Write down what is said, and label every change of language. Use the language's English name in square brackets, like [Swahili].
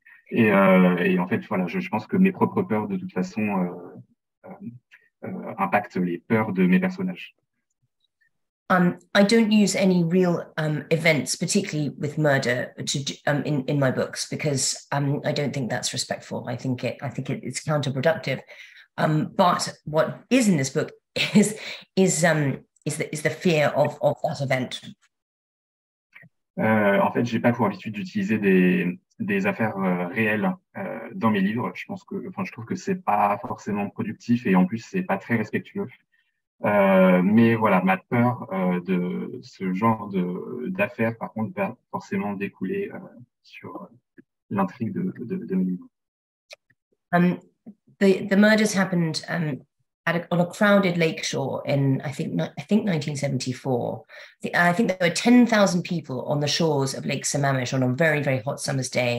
[French] Et en fait, voilà, je pense que mes propres peurs, de toute façon, impactent les peurs de mes personnages. [English] I don't use any real events, particularly with murder, in my books, because I don't think that's respectful. I think it's counterproductive. But what is in this book is the fear of that event. [French] En fait, j'ai pas pour habitude d'utiliser des affaires réelles dans mes livres. Je trouve que c'est pas forcément productif et en plus c'est pas très respectueux. Mais voilà, ma peur de ce genre d'affaires, par contre, va forcément découler sur l'intrigue de mes livres. [English] The murders happened on a crowded lakeshore in I think 1974. I think there were 10,000 people on the shores of Lake Sammamish on a very very hot summer's day.